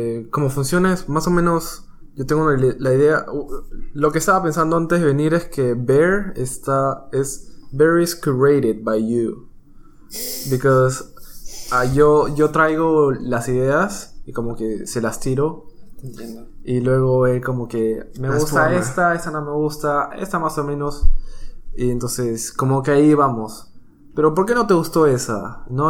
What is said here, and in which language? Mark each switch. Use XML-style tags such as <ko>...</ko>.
<es>Como funciona, es más o menos. Yo tengo la idea. Lo que estaba pensando antes de venir es que Bear está.</es> <en>Es Bear is curated by you. Because</en> <es>yo traigo las ideas y como que se las tiro. Entiendo. Y luego como que me gusta esta no me gusta, esta más o menos. Y entonces como que ahí vamos. Pero ¿por qué no te gustó esa? ¿No?</es>